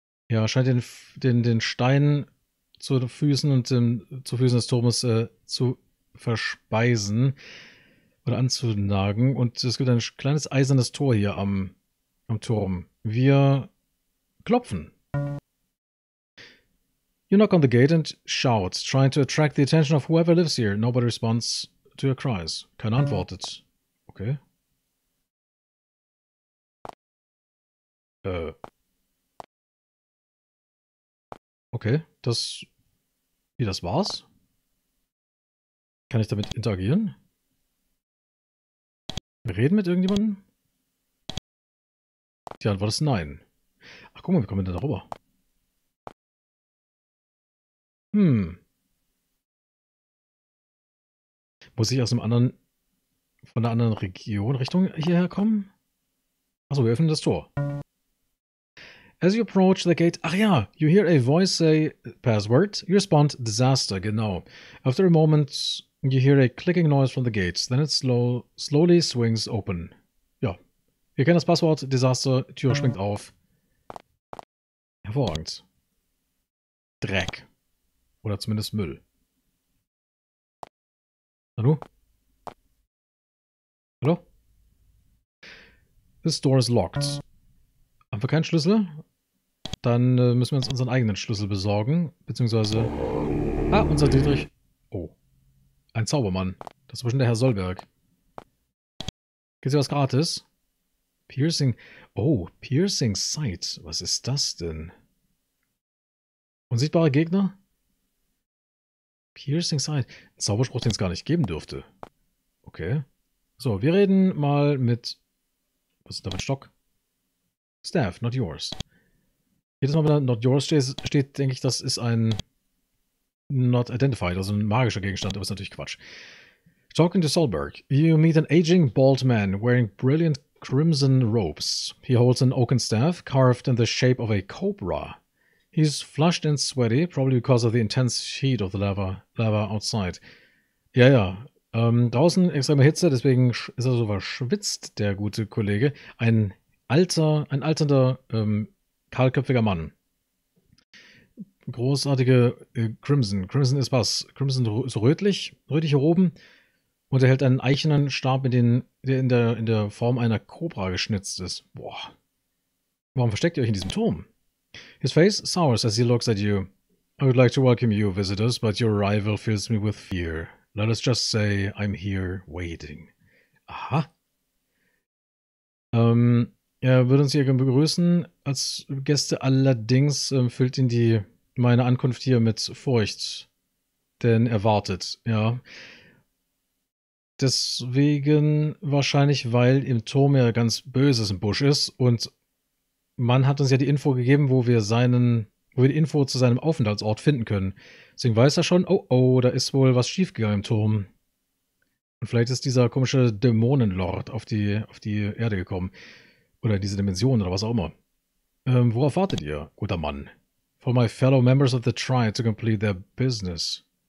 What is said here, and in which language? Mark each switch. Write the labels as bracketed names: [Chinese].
[German] Ja, scheint den Stein zu den Füßen und zu Füßen des Turmes zu verspeisen oder anzunagen. Und es gibt ein kleines eisernes Tor hier am am Turm. Wir klopfen. [English] You knock on the gate and shout, trying to attract the attention of whoever lives here. Nobody responds to your cries. [German] Keiner antwortet. Okay. Okay, das... Wie, das war's? Kann ich damit interagieren? Reden mit irgendjemandem? Die Antwort ist nein. Ach, guck mal, wie kommen wir denn da rüber? Muss ich aus einem anderen... von einer anderen Region Richtung hierher kommen? Achso, wir öffnen das Tor. [English] As you approach the gate, [German] ach ja, [English] you hear a voice say, password, you respond, disaster, genau. After a moment, you hear a clicking noise from the gate, then it slowly swings open. [German] Ja, ihr kennt das Passwort, disaster, Tür springt auf. Hervorragend. Dreck. Oder zumindest Müll. Hallo? Hallo? [English] This door is locked. [German] Haben wir keinen Schlüssel? Dann müssen wir uns unseren eigenen Schlüssel besorgen, beziehungsweise... Ah, unser Dietrich. Oh, ein Zaubermann. Das ist bestimmt der Herr Solberg. Gibt es hier was gratis? Piercing... Oh, Piercing Sight. Was ist das denn? Unsichtbare Gegner? Piercing Sight. Ein Zauberspruch, den es gar nicht geben dürfte. Okay. So, wir reden mal mit... Was ist da für ein Stock? [English] Staff, not yours. [German] Jedes Mal, wenn da Not Yours steht, denke ich, das ist ein Not Identified, also ein magischer Gegenstand, aber ist natürlich Quatsch. [English] Talking to Solberg, you meet an aging bald man wearing brilliant crimson robes. He holds an oaken staff carved in the shape of a cobra. He's flushed and sweaty, probably because of the intense heat of the lava outside. [German] Ja, ja, draußen extreme Hitze, deswegen ist er so verschwitzt, der gute Kollege. Ein alternder kahlköpfiger Mann. Großartige Crimson. Crimson ist was? Crimson ist rötlich. Rötlich hier oben. Und er hält einen eichenen Stab, der in der Form einer Kobra geschnitzt ist. Boah. Warum versteckt ihr euch in diesem Turm? [English] His face sours as he looks at you. I would like to welcome you, visitors, but your arrival fills me with fear. Let us just say, I'm here waiting. Aha. [German] Er würde uns hier begrüßen als Gäste, allerdings füllt ihn meine Ankunft hier mit Furcht, denn er wartet, ja. Deswegen wahrscheinlich, weil im Turm ja ganz Böses im Busch ist und man hat uns ja die Info gegeben, wo wir die Info zu seinem Aufenthaltsort finden können. Deswegen weiß er schon, oh, da ist wohl was schiefgegangen im Turm. Und vielleicht ist dieser komische Dämonenlord auf die Erde gekommen. Oder diese Dimension oder was auch immer. Worauf wartet ihr, guter Mann? [English] For my fellow members of the Triad to complete their business.